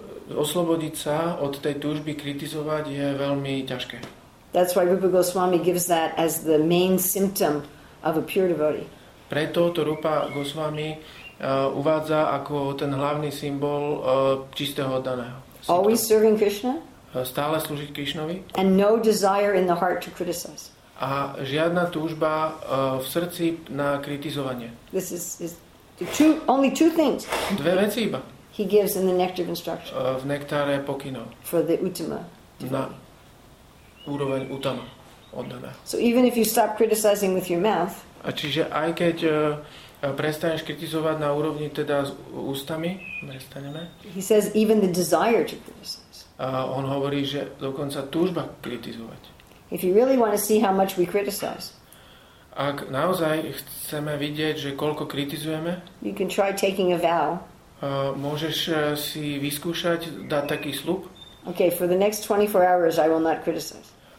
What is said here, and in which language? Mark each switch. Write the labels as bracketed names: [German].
[Slovak] Oslobodiť sa od tej túžby kritizovať je veľmi ťažké. [English] That's why Rupa Goswami gives that as the main symptom of a pure devotee. [Slovak] Preto to Rupa Goswami uvádza ako ten hlavný symbol čistého oddaného. [English] Always serving Krishna? [Slovak] Stále slúžiť Krishnovi? [English] And no desire in the heart to criticize. [Slovak] A žiadna túžba v srdci na kritizovanie. [English] This is Only two things. [Slovak] Dve veci iba. [English] He gives in the nectar of instruction. [Slovak] V nektáre pokynov. [English] For the uttama. [Slovak] Na úroveň uttama oddaná. [English] So even if you stop criticizing with your mouth. [Slovak] A čiže aj keď prestaneš kritizovať na úrovni teda s ústami, prestaneme. [English] He says even the desire to criticize. [Slovak] On hovorí, že dokonca túžba kritizovať. [English] If you really want to see how much we criticize. [Slovak] Ak naozaj chceme vidieť, že koľko kritizujeme, [English] you can try taking a vow. [Slovak] Môžeš si vyskúšať dať taký sľub. [English] Okay, for the next 24 hours I will not criticize.